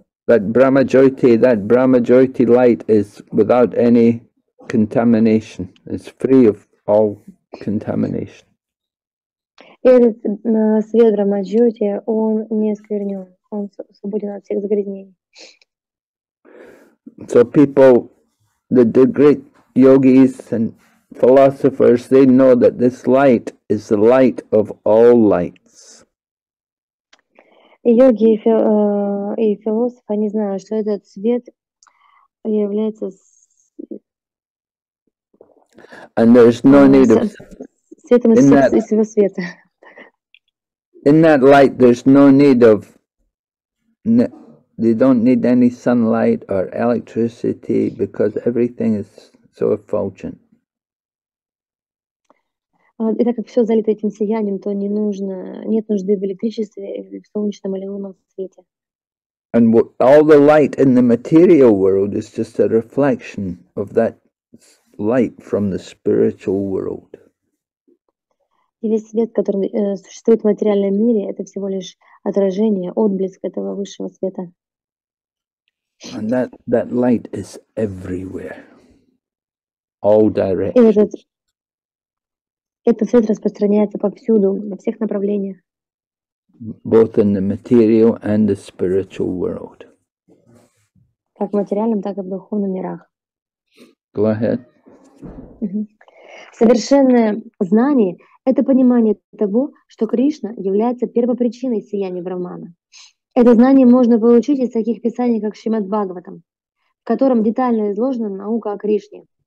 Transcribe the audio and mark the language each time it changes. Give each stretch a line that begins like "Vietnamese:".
English: That Brahma Jyoti, that Brahma Jyoti light is without any contamination. It's free of all contamination.
Russian: Этот свет Брахма Джоти, он не осквернён, он свободен от всех загрязнений.
English: So people, the great yogis and philosophers, they know that this light is the light of all light.
Russian: И йоги и философы, они знают, что этот свет является
English: And there's no need of...
Russian: светом из всего света.
English: In that light, there's no need of... They don't need any sunlight or electricity, because everything is so effulgent.
Russian: И так как все залито этим сиянием, то не нужно, нет нужды в электричестве, в солнечном или лунном свете.
English: And all the light in the material world is just a reflection of that light from the spiritual world.
Russian: И весь свет, который существует в материальном мире, это всего лишь отражение, отблеск этого высшего света.
English: And that light is everywhere. All directions.
Russian: Этот свет распространяется повсюду, во всех направлениях.
English: Both in the material and the spiritual world.
Russian: Как в материальном, так и в духовном мирах.
English: Go ahead.
Russian: Совершенное знание – это понимание того, что Кришна является первопричиной сияния Брахмана. Это знание можно получить из таких писаний, как Шримад Бхагаватам, в котором детально изложена наука о Кришне.